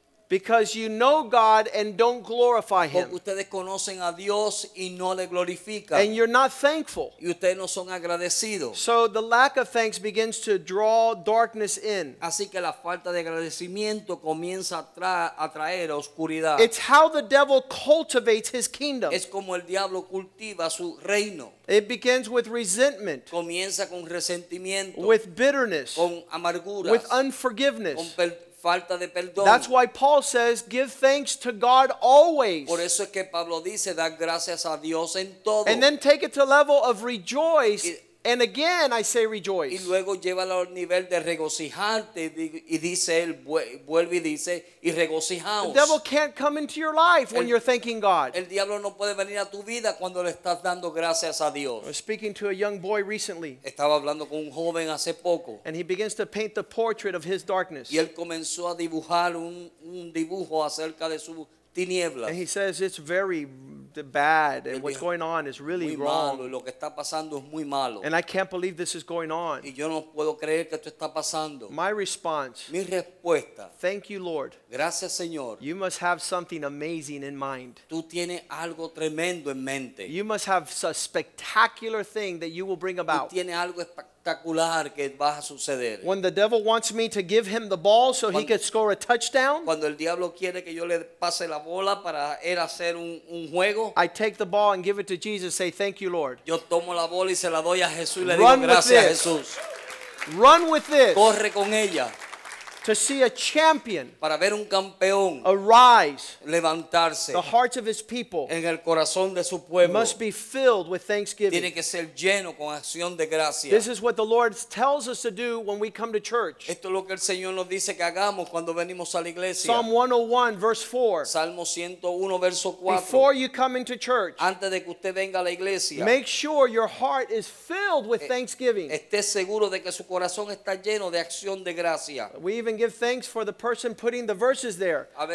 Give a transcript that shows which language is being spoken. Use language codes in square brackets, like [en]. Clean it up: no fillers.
[en] Because you know God and don't glorify him. [es] Porque ustedes conocen a Dios y no le glorifican. [en] And you're not thankful. [es] Y ustedes no son agradecidos. [en] So the lack of thanks begins to draw darkness in. [es] Así que la falta de agradecimiento comienza a traer oscuridad. [en] It's how the devil cultivates his kingdom. [es] Es como el diablo cultiva su reino. [en] It begins with resentment. [es] Comienza con resentimiento. [en] With bitterness. [es] Con amarguras. [en] With unforgiveness. [es] Con falta de perdón. [en] That's why Paul says, give thanks to God always. [es] Por eso es que Pablo dice, da gracias a Dios en todo. [en] And then take it to the level of rejoice. And again, I say rejoice. [es] Y luego llévalo al nivel de regocijarte y dice él, vuelve y dice, y regocijaos. [en] The devil can't come into your life when you're thanking God. [es] El diablo no puede venir a tu vida cuando le estás dando gracias a Dios. [en] I was speaking to a young boy recently. [es] Estaba hablando con un joven hace poco. [en] And he begins to paint the portrait of his darkness. [es] Y él comenzó a dibujar un dibujo acerca de su tiniebla. [en] And he says, it's very bad, and what's going on is really [es] muy [en] wrong. [es] Malo, lo que está pasando es muy malo. [en] And I can't believe this is going on. [es] Y yo no puedo creer que esto está pasando. [en] My response, [es] mi respuesta, [en] thank you, Lord. [es] Gracias, Señor. [en] You must have something amazing in mind. [es] Tú tienes algo tremendo en mente. [en] You must have a spectacular thing that you will bring about. [es] Tú tienes algo espectacular que va a suceder. [en] When the devil wants me to give him the ball so he could score a touchdown, [es] cuando el diablo quiere que yo le pase la bola para él hacer un juego, [en] I take the ball and give it to Jesus. Say, thank you, Lord. [es] Yo tomo la bola y se la doy a Jesús. [en] Run with this. Run with this. [es] Corre con ella. [en] To see a champion [es] para ver un campeón [en] arise, [es] levantarse, [en] the hearts of his people [es] en el corazón de su pueblo [en] must be filled with thanksgiving. [es] Tiene que ser lleno con acción de gracia. [en] This is what the Lord tells us to do when we come to church. [es] Esto es lo que el Señor nos dice que hagamos cuando venimos a la iglesia. [en] Psalm 101, verse 4. [es] Salmo 101, verso 4. [en] Before you come into church, [es] antes de que usted venga a la iglesia, [en] make sure your heart is filled with thanksgiving. [es] Esté seguro de que su corazón está lleno de acción de gracia. [en] Even give thanks for the person putting the verses there.